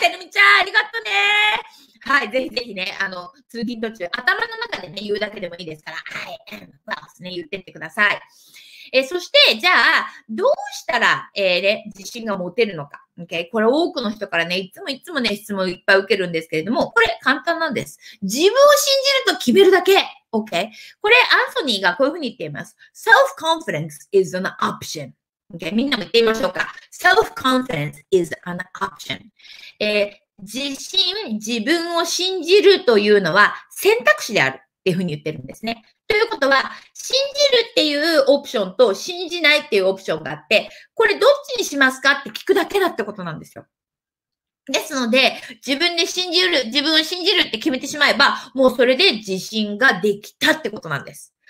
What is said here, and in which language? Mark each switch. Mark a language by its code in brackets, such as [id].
[ja] てるみちゃん、ありがとうね。はい、ぜひぜひね、通勤途中、頭の中でね、言うだけでもいいですから、はい、まあですね、言ってってください。そして、じゃあ、どうしたら、ね、自信が持てるのか。 [en] Okay? [ja] これ多くの人からね、いつもね、質問いっぱい受けるんですけれども、これ簡単なんです。自分を信じると決めるだけ。 [en] OK? [ja] これ、アンソニーがこういうふうに言っています。 [en] Self-confidence is an option. OK? [ja] みんなも言ってみましょうか。 [en] Self-confidence is an option. [ja] 自信、自分を信じるというのは選択肢であるっていうふうに言ってるんですね。ということは、信じるっていうオプションと信じないっていうオプションがあって、これどっちにしますかって聞くだけだってことなんですよ。ですので、自分を信じるって決めてしまえば、もうそれで自信ができたってことなんです。